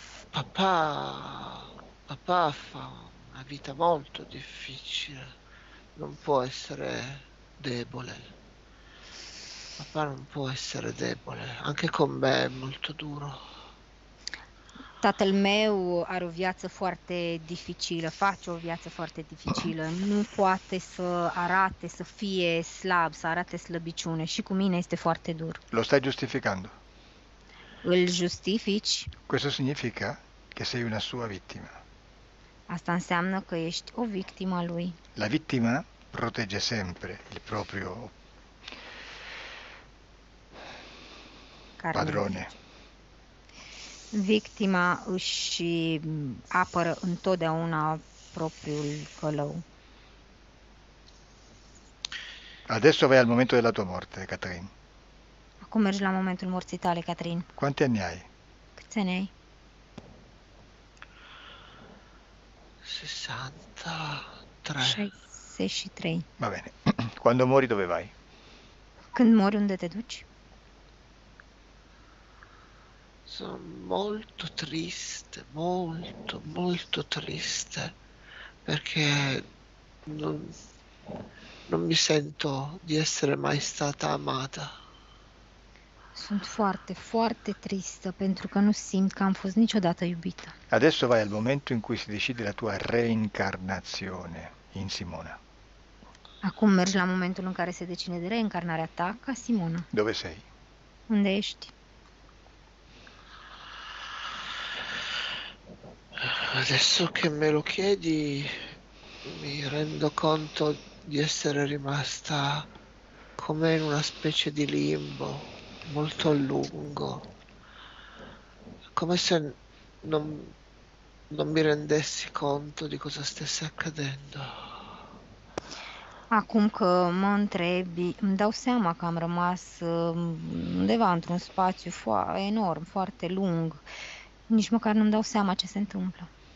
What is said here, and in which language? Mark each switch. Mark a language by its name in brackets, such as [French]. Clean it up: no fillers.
[Italian] Papà fa una vita molto difficile, non può essere debole. Papà non può essere debole, anche con me è molto duro. [Romanian] Tatăl meu are o viață foarte dificilă, face o viață foarte dificilă. Nu poate să arate, să fie slab, să arate slăbiciune. Și cu mine este foarte dur. [Italian] Lo stai giustificando? [Romanian] Îl justifici? [Italian] Questo significa che sei una sua vittima. [Romanian] Asta înseamnă că ești o victimă a lui. [Italian] La vittima protegge sempre il proprio [Romanian] Carne [Italian] padrone. [Romanian] rece. Victima își apără întotdeauna propriul călău. [Italian] Adesso vai al momento della tua morte, Catherine. [Romanian] Acum mergi la momentul morții tale, Catrin. [Italian] Quanti anni hai? [Romanian] Câți ani ai? [Italian] 63. [Romanian] 63. [Italian] Va bene. Quando muori, dove vai? [Romanian] Când mori, unde te duci? [Italian] Sono molto triste, molto, molto triste, perché non Non mi sento di essere mai stata amata. [Romanian] Sunt foarte, foarte tristă pentru că nu simt că am fost niciodată iubită. [Italian] Adesso vai al momento in cui si decide la tua reincarnazione in Simona. Dove [Romanian] Acum mergi la momentul in care se decide de reîncarnarea ta ca Simona. [Italian] sei? [Romanian] Unde ești? [Italian] Adesso che me lo chiedi, mi rendo conto di essere rimasta come in una specie di limbo molto a lungo, come se non mi rendessi conto di cosa stesse accadendo. [Romanian] Acum că mă întrebi, îmi dau seama că am rămas undeva într-un spațiu enorm, foarte lung. Nici măcar nu-mi dau seama ce se întâmplă.